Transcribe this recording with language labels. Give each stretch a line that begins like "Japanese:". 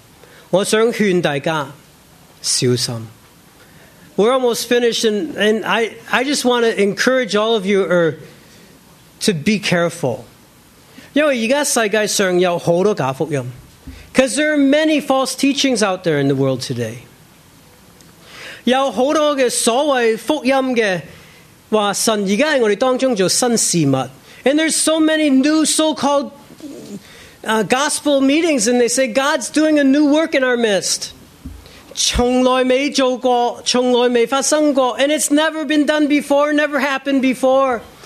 Chinese: 弟兄姊妹，我们差不多，但我们要知道魔鬼是这样做。我想劝大家小心。
English: We're almost finished, and I just want to encourage all of you to be careful.
Chinese: 因为现在世界上有很多假福音,
English: because there are many false teachings out there in the world today.
Chinese: 有很多所谓福音的话，神现在在我们当中做新事物。
English: And there's so many new so-called gospel meetings, and they say God's doing a new work in our midst.
Chinese: 从来没做过，从来没发生过,
English: and it's never been done before, never happened before.